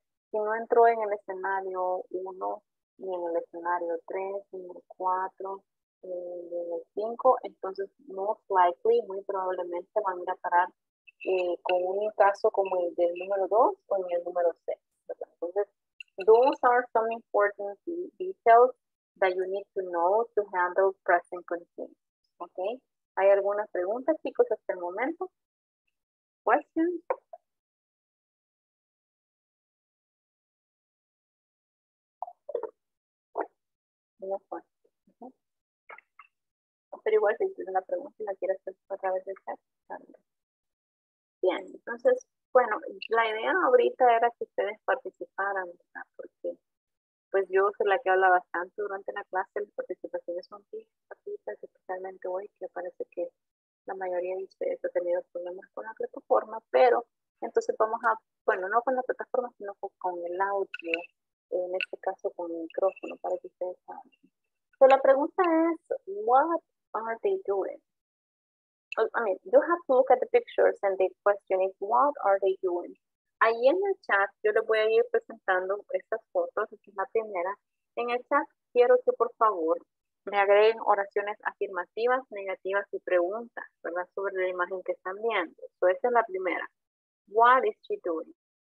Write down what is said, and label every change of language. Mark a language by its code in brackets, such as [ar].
[es] Si no entró en el escenario 1, ni en el escenario 3, ni en el 4, ni en el 5, entonces, [en] most likely, [es] muy probablemente, van a parar con un caso como el del número 2 o en el número 6, ¿verdad? Entonces, [en] those are some important details that you need to know to handle present continuous. [es] Okay. ¿Hay alguna pregunta, chicos, hasta el momento? Questions? Pero igual si tienes una pregunta y la quieres hacer a través del chat, también. Bien, entonces, bueno, la idea ahorita era que ustedes participaran, ¿verdad? Porque pues yo soy la que habla bastante durante la clase, las participaciones son típicas, especialmente hoy, que parece que la mayoría de ustedes ha tenido problemas con la plataforma, pero entonces vamos a, bueno, no con la plataforma, sino con el audio, en este caso con el micrófono, para que ustedes hablen. [en] So [es] la pregunta es, [en] what are they doing? I mean, you have to look at the pictures and the question is, what are they doing? [es] Ahí en el chat, yo les voy a ir presentando estas fotos, esta es la primera. En el chat, quiero que por favor me agreguen oraciones afirmativas, negativas y preguntas, ¿verdad? Sobre la imagen que están viendo. So esa es la primera. [en] What is she doing?